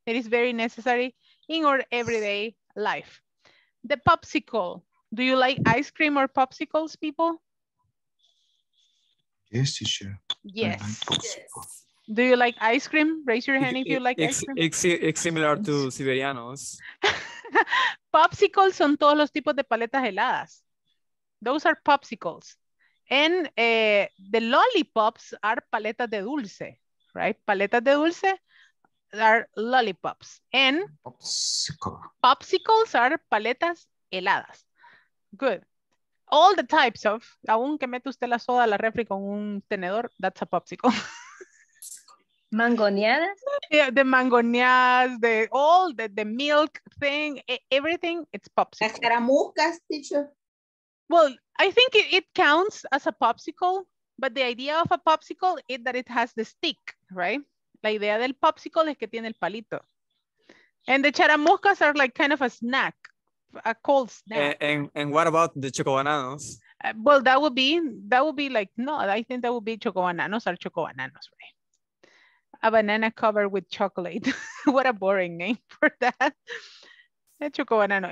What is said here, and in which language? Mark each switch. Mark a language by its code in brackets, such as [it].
[en] It is very necessary in our everyday life. The popsicle. Do you like ice cream or popsicles, people? Yes, teacher. Yes. Do you like ice cream? Raise your hand if you like ice cream. It's similar to Siberianos. [es] Popsicles son todos los tipos de paletas heladas. [en] Those are popsicles. And the lollipops are [es] paletas de dulce, [en] right? [es] Paletas de dulce [en] are lollipops. And popsicles are [es] paletas heladas. [en] Good. All the types of, [es] aun que mete usted la soda a la refri con un tenedor, [en] that's a popsicle. [es] Mangoneadas? [en] Yeah, the mangoneadas, the all the milk thing, everything, it's popsicle. [es] Las caramucas, teacher. [en] Well, I think it counts as a popsicle, but the idea of a popsicle is that it has the stick, right? [es] La idea del popsicle es que tiene el palito. [en] And the charamuscas are like kind of a snack, a cold snack. And what about the chocobananos? Well, that would be like, no, I think that would be chocobananos or chocobananos, right? A banana covered with chocolate. What a boring name for that. Chocobanano.